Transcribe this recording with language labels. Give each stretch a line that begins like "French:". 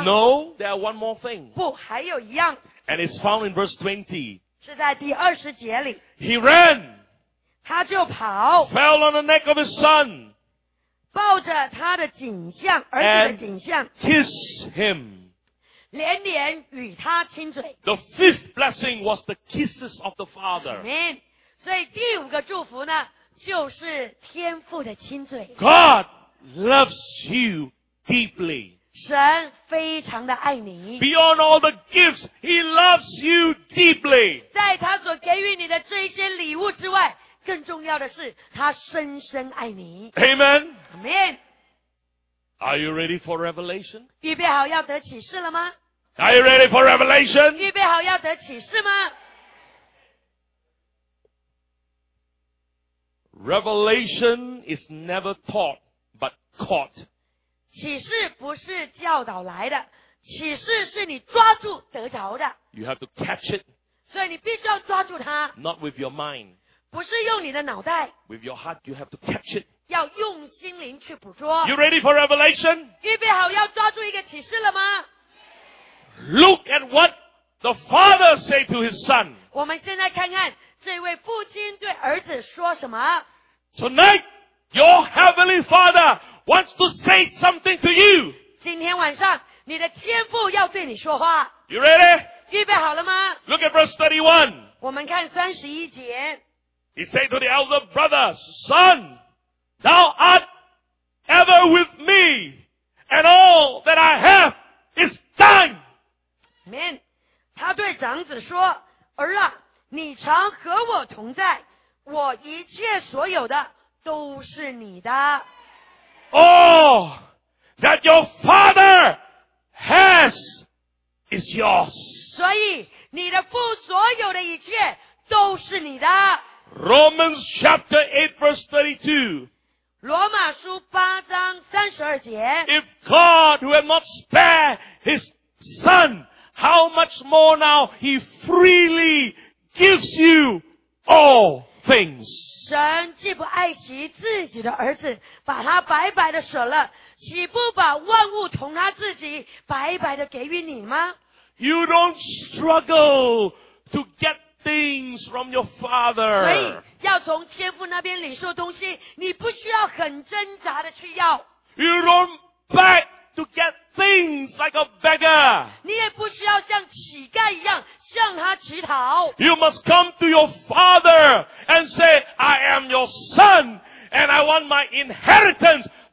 English: No, there are one more thing.
Chinese: 不, 还有一样.
English: And it's found in verse 20.
Chinese: 是在第20节里.
English: He ran.
Chinese: 他就跑.
English: Fell on the neck of his son.
Chinese: 抱着他的颈项, 儿子的颈项,
English: and kiss him.
Chinese: 连连与他亲嘴.
English: The 5th blessing was the kisses of the Father. Amen.
Chinese: 所以第5个祝福呢, 就是天父的亲嘴.
English: God loves you deeply.
Chinese: 神非常的爱你.
English: Beyond all the gifts, He loves you deeply.
Chinese: 在他所给予你的这些礼物之外, 更重要的是, 他深深爱你。
English: Amen. Amen. Are you ready for revelation?
Chinese: 预备好要得启示了吗?
English: Are you ready for revelation?
Chinese: 预备好要得启示吗?
English: Revelation is never taught, but caught.
Chinese: 启示不是教导来的，启示是你抓住得着的。
English: You have to catch it.
Chinese: 所以你必须要抓住它。
English: Not with your mind.
Chinese: 不是用你的脑袋。
English: With your heart, you have to catch it.
Chinese: 要用心灵去捕捉。
English: You ready for revelation?
Chinese: 预备好要抓住一个启示了吗？
English: Look at what the father said to his son.
Chinese: 我们现在看看这位父亲对儿子说什么。
English: Tonight, your heavenly father wants to say something to you.
Chinese: 今天晚上你的天父要对你说话。
English: You ready?
Chinese: 预备好了吗？
English: Look at verse 31.
Chinese: 我们看31节。
English: He said to the elder brother, Son, thou art ever with me, and all that I have is thine. Amen.
Chinese: 他对长子说，儿啊，你常和我同在，我一切所有的都是你的。
English: All that your father has is yours.
Chinese: 所以你的父所有的一切都是你的。
English: Romans chapter 8 verse 32.
Chinese: 罗马书八章三十二节。
English: If God who had not spared his son, how much more now he freely gives you all. Things.
Chinese: 神既不爱惜自己的儿子，把他白白的舍了，岂不把万物同他自己白白的给予你吗？
English: You don't struggle to get things from your father.
Chinese: 所以要从天父那边领受东西，你不需要很挣扎的去要。
English: You don't beg to get things like a beggar.
Chinese: 你也不需要像乞丐一样向他乞讨。
English: You must come to your father and say, I am your son and I want my inheritance.